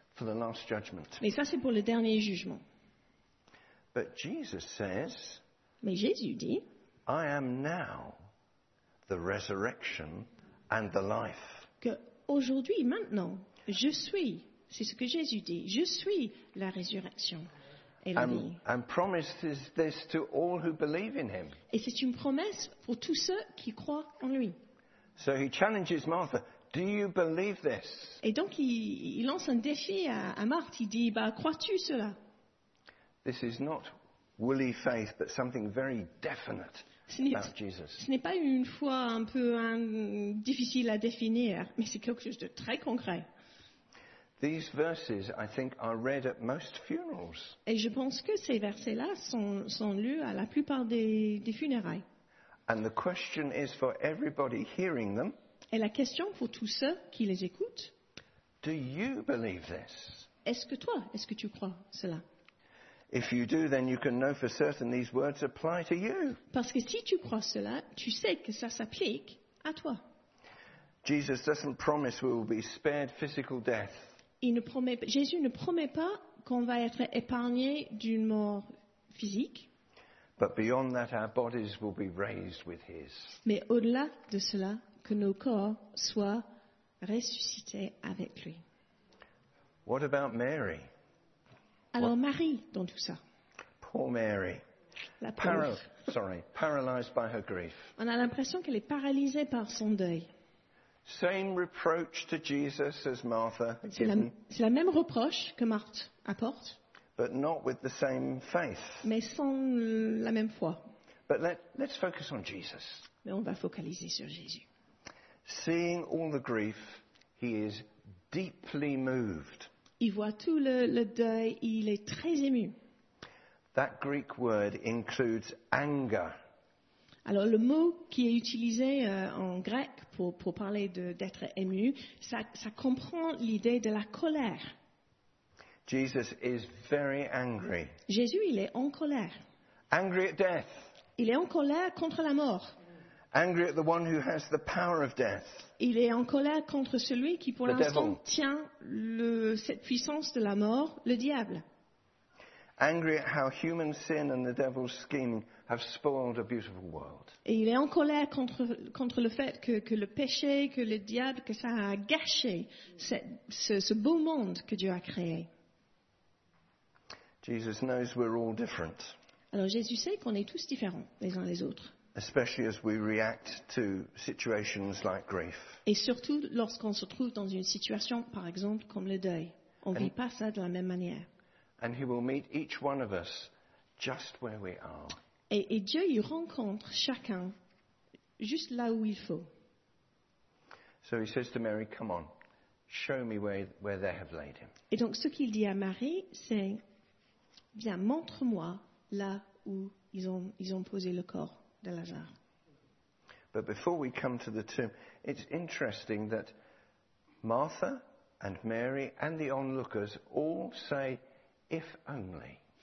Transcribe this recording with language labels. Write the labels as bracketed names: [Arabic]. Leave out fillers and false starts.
[English] For the last judgment. [French] Mais ça, c'est pour le dernier jugement. [English] But Jesus says, [French] mais Jésus dit, [English] I am now the resurrection and the life. [French] Que aujourd'hui, maintenant, je suis, c'est ce que Jésus dit, je suis la résurrection et la vie. [English] And promises this to all who believe in him. [French] Et c'est une promesse pour tous ceux qui croient en lui. [English] So he challenges Martha, do you believe this? [French] Et donc il lance un défi à Marthe, il dit, crois-tu cela? [English] This is not woolly faith, but something very definite about Jesus. [French] Ce n'est pas une foi un peu difficile à définir, mais c'est quelque chose de très concret. [English] These verses, I think, are read at most funerals. [French] Et je pense que ces versets-là sont lus à la plupart des funérailles. [English] And the question is for everybody hearing them. [French] Et la question pour tous ceux qui les écoutent. [English] Do you believe this? [French] Est-ce que tu crois cela? [English] If you do, then you can know for certain these words apply to you. [French] Parce que si tu crois cela, tu sais que ça s'applique à toi. [English] Jesus doesn't promise we will be spared physical death. [French] Jésus ne promet pas qu'on va être épargné d'une mort physique. [English] But beyond that, our bodies will be raised with his. [French] Mais au-delà de cela, que nos corps soient ressuscités avec lui. [English] What about Mary? [French] Alors Marie dans tout ça. [English] Poor Mary. [French] La pauvre. [English] Paralyzed by her grief. [French] On a l'impression qu'elle est paralysée par son deuil. [English] Same reproach to Jesus as Martha. [French] C'est la même reproche que Marthe apporte. [English] But not with the same faith. [French] Mais sans la même foi. [English] But let's focus on Jesus. [French] Mais on va focaliser sur Jésus. [English] Seeing all the grief, he is deeply moved. [French] Il voit tout le deuil, il est très ému. [English] That Greek word includes anger. [French] Alors le mot qui est utilisé en grec pour parler d'être ému, ça comprend l'idée de la colère. [English] Jesus is very angry. [French] Jésus, il est en colère. [English] Angry at death. [French] Il est en colère contre la mort. [English] Angry at the one who has the power of death. [French] Il est en colère contre celui qui pour l'instant tient cette puissance de la mort, le diable. [English] Angry at how human sin and the devil's scheming have spoiled a beautiful world. [French] Et il est en colère contre le fait que le péché, que le diable, que ça a gâché ce beau monde que Dieu a créé. [English] Jesus knows we're all different. [French] Alors Jésus sait qu'on est tous différents les uns les autres. [English] Especially as we react to situations like grief. [French] Et surtout lorsqu'on se trouve dans une situation, par exemple, comme le deuil. On ne vit pas ça de la même manière. [English] And he will meet each one of us just where we are. [French] Et Dieu y rencontre chacun juste là où il faut. [English] So he says to Mary, come on, show me where they have laid him. [French] Et donc ce qu'il dit à Marie, c'est, viens, montre-moi là où ils ont posé le corps. [English] But before we come to the tomb, it's interesting that Martha and Mary and the onlookers all say, "If only."